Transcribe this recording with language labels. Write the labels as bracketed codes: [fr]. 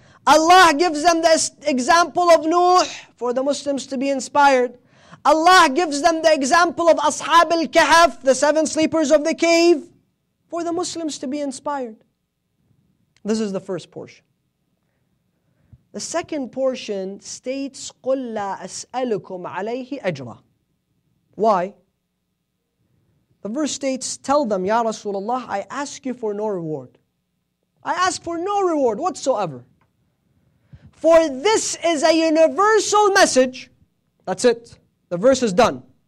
[en] Allah gives them the example of Nuh for the Muslims to be inspired. Allah gives them the example of Ashab al-Kahf, the seven sleepers of the cave, for the Muslims to be inspired. This is the first portion. The second portion states, [ar] قُلْ لَا أَسْأَلُكُمْ عَلَيْهِ أَجْرًا. [en] Why? The verse states, tell them, Ya Rasulullah, I ask you for no reward. I ask for no reward whatsoever. For this is a universal message. That's it. The verse is done.